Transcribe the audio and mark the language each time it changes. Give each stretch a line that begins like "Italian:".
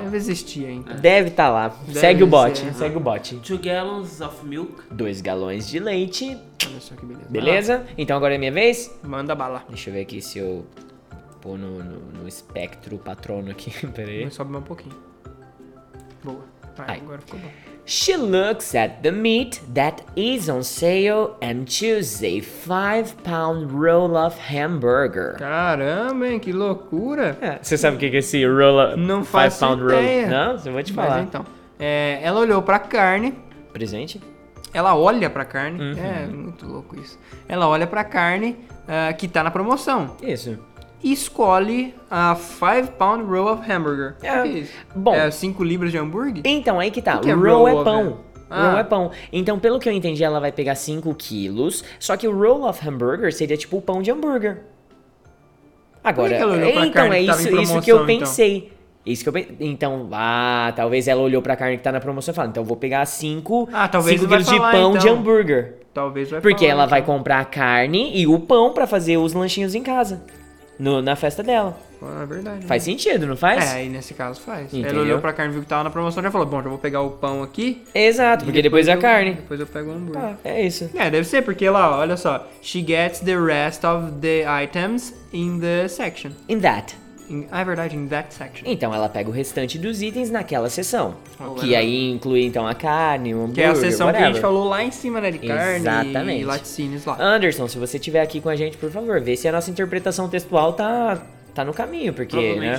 Portuguese: Deve existir, então. Deve estar lá. Segue o bot, segue o bot.
English: 2 gallons of milk.
Portuguese: 2 galões de leite. Olha só que beleza. Beleza? Então agora é minha vez? Manda bala. Deixa eu ver aqui se eu pôr no espectro patrono aqui. Pera aí. Sobe mais um pouquinho. Boa. Vai, agora ficou bom.
English: She looks at the meat that is on sale and chooses a 5-pound roll of hamburger.
Portuguese: Caramba, hein? Que loucura! Você sabe o que é esse roll of... Não faz pound roll? Não? Eu vou te falar. Mas então, ela olhou pra carne. Presente? Ela olha pra carne. Uhum. É muito louco isso. Ela olha pra carne que tá na promoção. Isso. E escolhe
English: a 5-pound roll of hamburger.
Portuguese: É. Bom. É 5 libras de hambúrguer? Então, aí que tá. Que roll é pão. Roll é pão. Então, pelo que eu entendi, ela vai pegar 5 quilos. Só que o roll of hamburger seria tipo o pão de hambúrguer. Agora, por que ela olhou pra então, carne é que tava isso que eu pensei. Isso que eu pensei. Então, talvez ela olhou pra carne que tá na promoção e fala: então vou pegar 5 quilos de pão de hambúrguer. Talvez vai porque falar, ela vai comprar a carne e o pão pra fazer os lanchinhos em casa. No, na festa dela. É verdade. Faz sentido, não faz? É, e nesse caso faz. Entendeu? Ela olhou pra carne, viu que tava na promoção e já falou: bom, já vou pegar o pão aqui. Exato, porque depois é a carne. Depois eu pego o hambúrguer. Ah, é isso. É, deve ser, porque lá, olha só.
English: She gets the rest of the items in the section. In that.
Portuguese: É verdade,
English: in that section.
Portuguese: Então ela pega o restante dos itens naquela seção. Que aí inclui então a carne, o hambúrguer. Que é a seção
English: whatever.
Portuguese: Que a gente falou lá em cima, né? De carne. Exatamente. E laticínios lá. Anderson, se você estiver aqui com a gente, por favor, vê se a nossa interpretação textual tá no caminho. Porque, provavelmente,